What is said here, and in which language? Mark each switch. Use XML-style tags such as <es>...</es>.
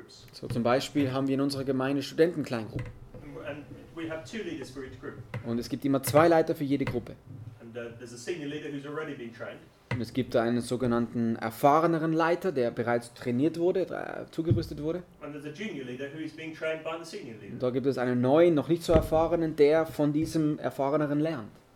<de>So zum Beispiel haben wir in unserer Gemeinde Studentenkleingruppen.</de> <en>And we have two leaders for each group.</en> <de>Und es gibt immer zwei Leiter für jede Gruppe.</de> <en>And, there's a senior leader who's already been trained.</en> <de>Und es gibt einen sogenannten erfahreneren Leiter, der bereits trainiert wurde, zugerüstet wurde. Und da gibt es einen neuen, noch nicht so erfahrenen, der von diesem erfahreneren lernt.</de>